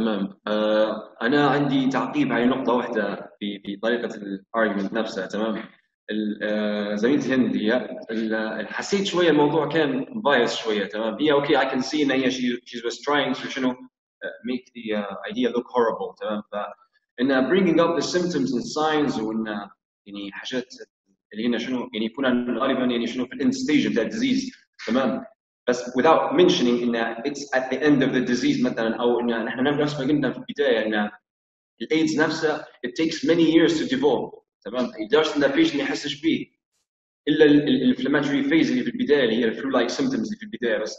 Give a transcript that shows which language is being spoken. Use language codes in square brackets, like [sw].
[ar] تمام، أنا عندي تعقيب على نقطة واحدة في طريقة الارجمنت نفسها. تمام، زميلتي هند هي حسيت شوية الموضوع كان بايس شوية. تمام، هي أوكي [en] I can see [ar] إن هي [en] she was trying to you know make the idea look horrible. [ar] تمام، فإنها [en] bringing up the symptoms and signs [ar] وإن يعني حاجات اللي هنا شنو يعني يكون غالبا يعني شنو في [en] end stage of that disease. [ar] تمام، بس [en] without mentioning [ar] إن [en] it's at the end of the disease [ar] مثلاً، أو إن نحن نفس ما قلنا في البداية إن الأيدز نفسه [en] it takes many years to develop. [ar] تمام، يدرس إن الفيش اللي يحسش به إلا ال inflammatory phase اللي في البداية اللي هي [en] the flu-like symptoms [ar] اللي في البداية بس.